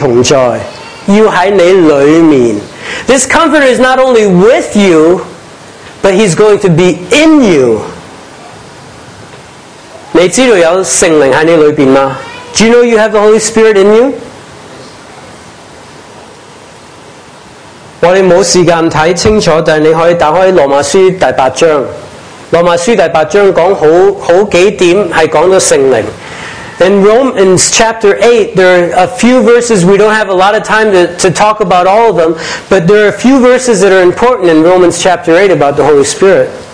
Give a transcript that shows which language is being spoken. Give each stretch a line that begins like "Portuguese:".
Chinese: 这个保惠师不单止与你同在，要在你里面。
English: This comforter is not only with you, but he's going to be in you.
Chinese: 你知道有圣灵在你里面吗?
English: Do you know you have the Holy Spirit in you?
Chinese: 我们没时间看清楚，但你可以打开罗马书第八章。罗马书第八章讲好几点是讲到圣灵。
English: In Romans chapter 8, there are a few verses. We don't have a lot of time to talk about all of them, but there are a few verses that are important in Romans chapter 8 about the Holy Spirit.